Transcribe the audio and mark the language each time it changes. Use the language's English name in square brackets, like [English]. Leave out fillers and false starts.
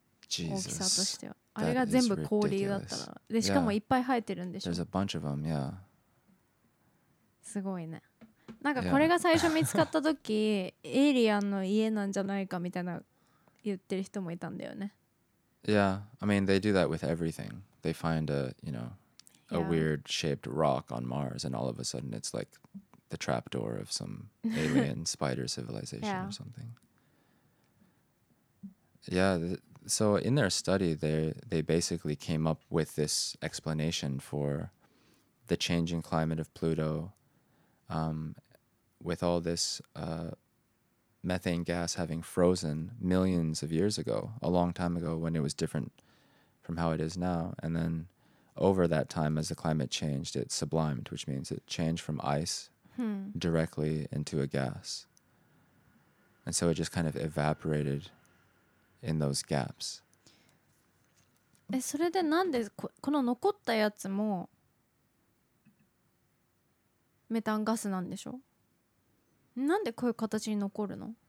[English] Jesus. [Japanese] あれが全部氷だったら、でしかもいっぱい生えてるんでしょ。 [English] There's a bunch of them, yeah. [Japanese] すごいね。なんかこれが最初見つかった時、エイリアンの家なんじゃないかみたいな言ってる人もいたんだよね。 [English] Yeah, I mean they do that with everything. They find a, you know, a weird shaped rock on Mars, and all of a sudden it's like the trap door of some alien spider civilization or something. Yeah. So in their study, they basically came up with this explanation for the changing climate of Pluto, with all this methane gas having frozen millions of years ago, a long time ago when it was different from how it is now. And then over that time, as the climate changed, it sublimed, which means it changed from ice directly into a gas. And so it just kind of evaporated in those gaps. [Japanese] え、それでなんでこの残ったやつもメタンガスなんでしょ？なんでこういう形に残るの？